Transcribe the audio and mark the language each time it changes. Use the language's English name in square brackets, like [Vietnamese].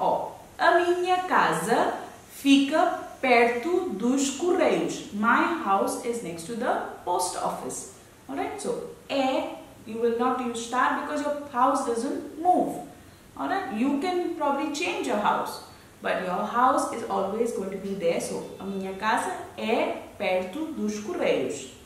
[Portuguese] Or a minha casa fica perto dos correios. [English] My house is next to the post office. Alright? So, é, you will not use estar because your house doesn't move. Alright? You can probably change your house. But your house is always going to be there. [Portuguese] So, a minha casa é perto dos correios.